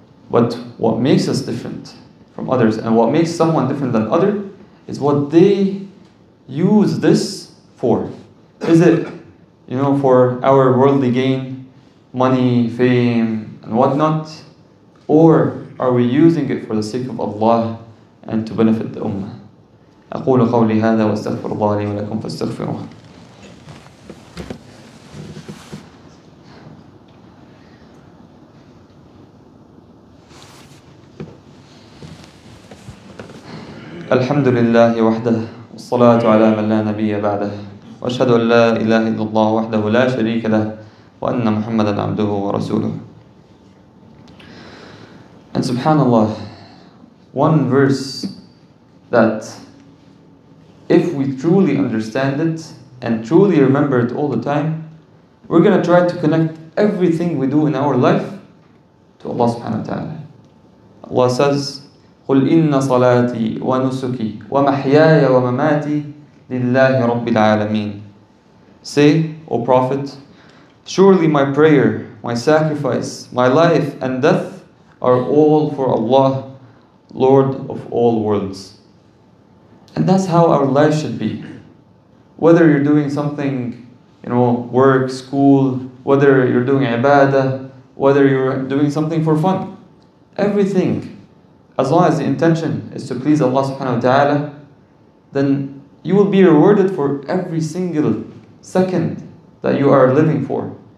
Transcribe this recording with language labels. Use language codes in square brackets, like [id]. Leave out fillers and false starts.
[en] But what makes us different from others and what makes someone different than other is what they use this for. is it, you know, for our worldly gain, money, fame, and whatnot, or are we using it for the sake of Allah and to benefit the ummah? [ar] أقول قولي هذا واستغفر الله لي ولكم فاستغفروه. الحمد لله وحده والصلاة على من لا نبي بعده وأشهد أن لا إله إلا الله وحده لا شريك له وأن محمدا عبده ورسوله. [en] And subhanallah, one verse that if we truly understand it and truly remember it all the time, we're going to try to connect everything we do in our life to Allah subhanahu wa ta'ala. Allah says, [ar] قُلْ إِنَّ صَلَاتِي وَنُسُكِي وَمَحْيَايَ وَمَمَاتِي لِلَّهِ رَبِّ الْعَالَمِينَ. [en] Say, O Prophet, surely my prayer, my sacrifice, my life and death are all for Allah, Lord of all worlds. And that's how our life should be. Whether you're doing something, you know, work, school, whether you're doing ibadah, whether you're doing something for fun, everything, as long as the intention is to please Allah subhanahu wa ta'ala, then you will be rewarded for every single second that you are living for.